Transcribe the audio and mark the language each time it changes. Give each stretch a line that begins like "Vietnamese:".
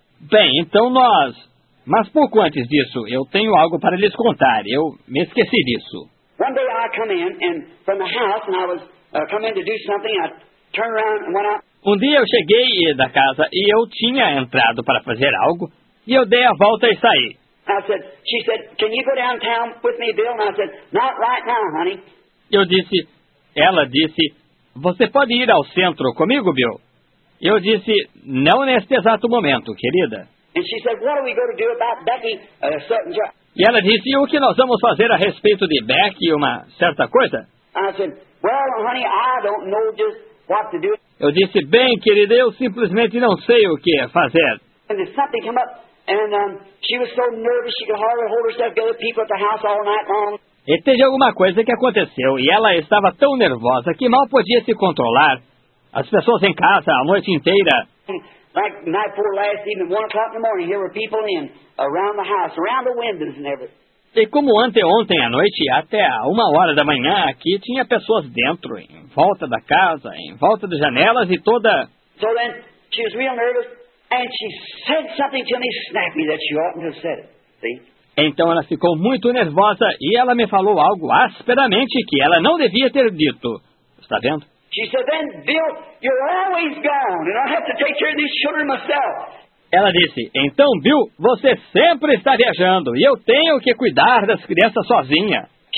Portuguese: Bem, então nós... Mas pouco antes disso, eu tenho algo para lhes contar. Eu me esqueci disso.
English: One day I come in and from the house and I was come in to do something. I turned around and went out.
Portuguese: Um dia eu cheguei da casa e eu tinha entrado para fazer algo e eu dei a volta e saí.
English: I said, she said, can you go downtown with me, Bill? And I said, not right now, honey.
Portuguese: Eu disse, ela disse, você pode ir ao centro comigo, Bill? Eu disse, não neste exato momento, querida.
English: And she said, what are we going to do about Becky?
Portuguese: E ela disse, e o que nós vamos fazer a respeito de Beck e uma certa coisa?
English: I said, well, honey, I don't know just what to do.
Portuguese: Eu disse, bem, querida, eu simplesmente não sei o que fazer.
English: And then something came up, and she was so nervous she could hardly hold herself together, people at the house all night long.
Portuguese: E teve alguma coisa que aconteceu e ela estava tão nervosa que mal podia se controlar. As pessoas em casa a noite inteira.
English: Like night before last evening, 1 o'clock in the morning, here were people in, around the house, around the windows and everything.
Portuguese: E como ontem à noite, até a 1 hora da manhã, aqui tinha pessoas dentro, em volta da casa, em volta das janelas e toda...
English: So then, she was real nervous, and she said something to me snappy that she oughtn't have said it, see?
Portuguese: Então ela ficou muito nervosa e ela me falou algo asperamente que ela não devia ter dito. Está vendo?
English: She said, then, Bill, you're always gone, and I have to take care of these children myself.
Portuguese: Ela disse, então, Bill, você sempre está viajando e eu tenho que cuidar das crianças sozinha.